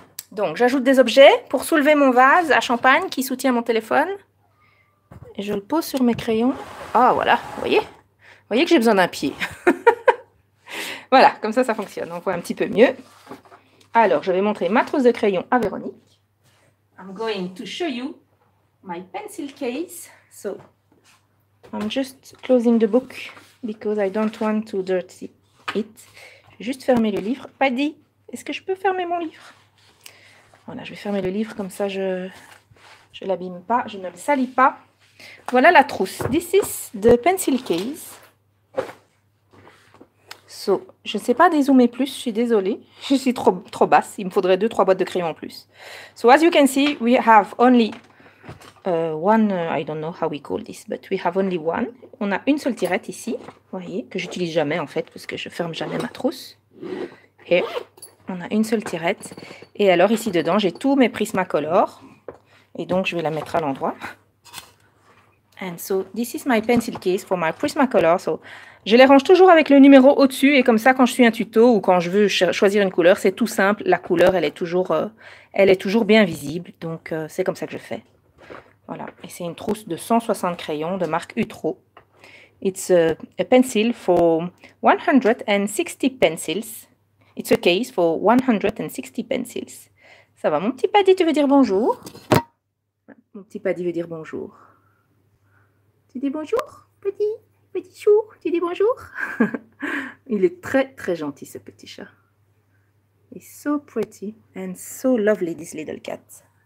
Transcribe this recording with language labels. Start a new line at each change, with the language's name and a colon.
French: Donc, j'ajoute des objets pour soulever mon vase à champagne qui soutient mon téléphone. Et je le pose sur mes crayons. Ah, voilà, vous voyez ? Vous voyez que j'ai besoin d'un pied. Voilà, comme ça, ça fonctionne. On voit un petit peu mieux. Alors, je vais montrer ma trousse de crayons à Véronique.
English: I'm going to show you my pencil case. So, I'm just closing the book because I don't want to dirty it.
French: Je vais juste fermer le livre. Paddy, est-ce que je peux fermer mon livre ? Voilà, je vais fermer le livre, comme ça je ne l'abîme pas, je ne le salis pas. Voilà la trousse.
English: This is the pencil case.
French: So, je ne sais pas dézoomer plus, je suis désolée. Je suis trop basse, il me faudrait 2-3 boîtes de crayons en plus.
English: So, as you can see, we have only one, I don't know how we call this, but we have only one.
French: On a une seule tirette ici, vous voyez, que j'utilise jamais en fait, parce que je ferme jamais ma trousse. Et... on a une seule tirette. Et alors, ici dedans, j'ai tous mes Prismacolors. Et donc, je vais la mettre à l'endroit.
English: And so, this is my pencil case for my Prismacolor.
French: So, je les range toujours avec le numéro au-dessus. Et comme ça, quand je suis un tuto ou quand je veux choisir une couleur, c'est tout simple. La couleur, elle est toujours bien visible. Donc, c'est comme ça que je fais. Voilà. Et c'est une trousse de 160 crayons de marque Utro.
English: It's a pencil for 160 pencils. It's a case for 160 pencils.
French: Ça va, mon petit Paddy, tu veux dire bonjour? Mon petit Paddy veut dire bonjour. Tu dis bonjour, petit? Petit chou, tu dis bonjour? Il est très, très gentil, ce petit chat.
English: He's so pretty and so lovely, this little cat.